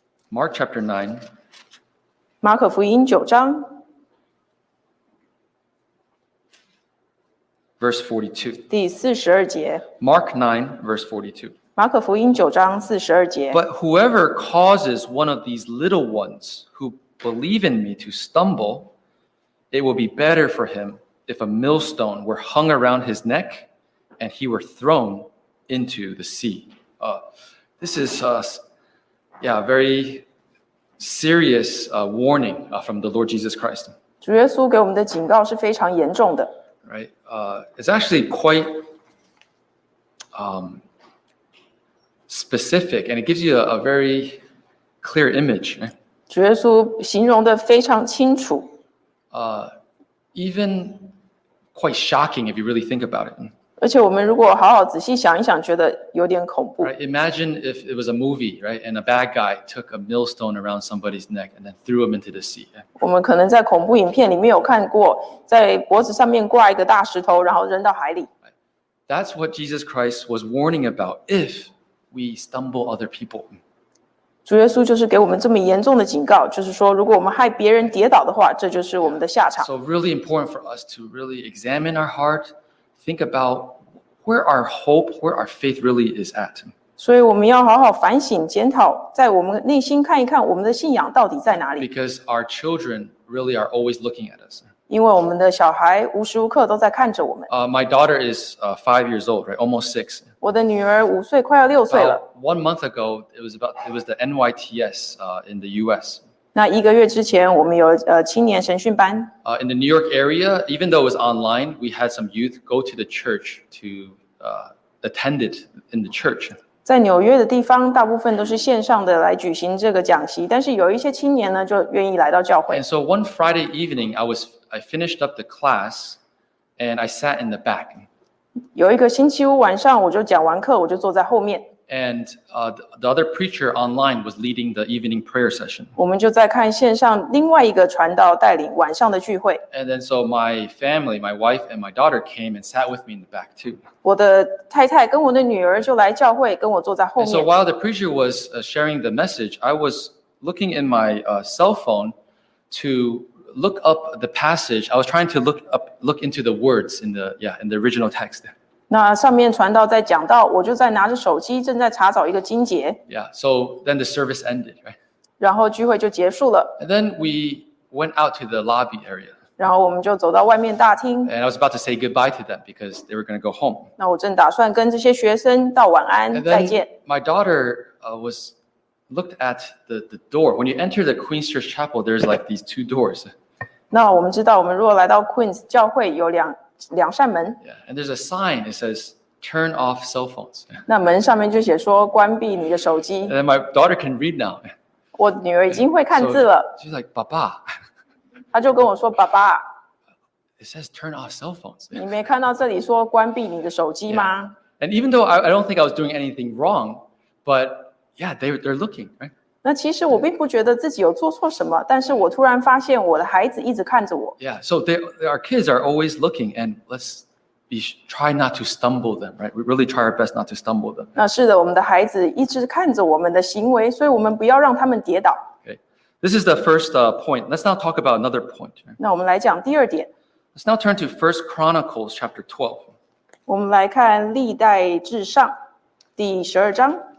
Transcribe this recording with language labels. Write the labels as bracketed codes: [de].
[en] Mark chapter 9. [zh] 马可福音九章。 [en] Verse 42. [zh] 第四十二节。 [en] Mark 9, verse 42. [zh] 马可福音九章四十二节。 [en] But whoever causes one of these little ones who believe in me to stumble, it will be better for him if a millstone were hung around his neck and he were thrown into the sea. This is very serious warning from the Lord Jesus Christ. [zh] 主耶稣给我们的警告是非常严重的。 [en] Right, it's actually quite specific, and it gives you a very clear image. [zh] 主耶稣形容的非常清楚。 [en] Even quite shocking if you really think about it. [zh] 而且我们如果好好仔细想一想，觉得有点恐怖。 [en] Right, imagine if it was a movie, right, and a bad guy took a millstone around somebody's neck and then threw him into the sea. [zh] 我们可能在恐怖影片里面有看过，在脖子上面挂一个大石头，然后扔到海里。 [en] That's what Jesus Christ was warning about if we stumble other people. [zh] 主耶稣就是给我们这么严重的警告，就是说，如果我们害别人跌倒的话，这就是我们的下场。 [en] So really important for us to really examine our heart. Think about where our hope, where our faith really is at. [zh] 所以我们要好好反省检讨，在我们内心看一看我们的信仰到底在哪里。 [en] Because our children really are always looking at us. [zh] 因为我们的小孩无时无刻都在看着我们。 [en] My daughter is 5 years old, right? Almost 6. [zh] 我的女儿五岁，快要六岁了。 [en] About 1 month ago, it was the NYTS in the U.S. [zh] 那一个月之前，我们有青年神训班。 [en] In the New York area, even though it was online, we had some youth go to the church to attend it in the church. [zh] 在纽约的地方，大部分都是线上的来举行这个讲习，但是有一些青年呢，就愿意来到教会。 [en] And so one Friday evening, I finished up the class, and I sat in the back. [zh] 有一个星期五晚上，我就讲完课，我就坐在后面。 [en] And the other preacher online was leading the evening prayer session. [zh] 我们就在看线上另外一个传道带领晚上的聚会。 [en] And then so my family, my wife and my daughter came and sat with me in the back too. [zh] 我的太太跟我的女儿就来教会，跟我坐在后面。 [en] And so while the preacher was sharing the message, I was looking in my cell phone to look up the passage. I was trying to look into the words in the original text. [zh] 那上面传道在讲到，我就在拿着手机，正在查找一个经节。 [en] Yeah, so then the service ended, right? [zh] 然后聚会就结束了。 [en] And then we went out to the lobby area. [zh] 然后我们就走到外面大厅。 [en] And I was about to say goodbye to them because they were going to go home. [zh] 那我正打算跟这些学生道晚安，再见。 [en] And then my daughter was looked at the door. When you enter the Queen's Church Chapel, there's like these two doors. [zh] 那我们知道，我们如果来到 Queen's 教会，有两扇门。 [en] Yeah, and there's a sign. It says, "Turn off cell phones." [zh] 那门上面就写说关闭你的手机。 [en] And my daughter can read now. [zh] 我女儿已经会看字了。 [en] So、she's like, "Papa." [zh] 她就跟我说，爸爸。 [en] It says, "Turn off cell phones." [zh] 你没看到这里说关闭你的手机吗、 [en] yeah. ？And even though I don't think I was doing anything wrong, but yeah, they're looking, right? [zh] 那其实我并不觉得自己有做错什么，但是我突然发现我的孩子一直看着我。 [en] Yeah, so our kids are always looking, and let's try not to stumble them, right? We really try our best not to stumble them. [zh] 那是的，我们的孩子一直看着我们的行为，所以我们不要让他们跌倒。 [en] Okay, this is the first point. Let's now talk about another point. [zh] 那我们来讲第二点。 [en] Let's now turn to First Chronicles chapter 12. [zh] 我们来看历代至上第十二章。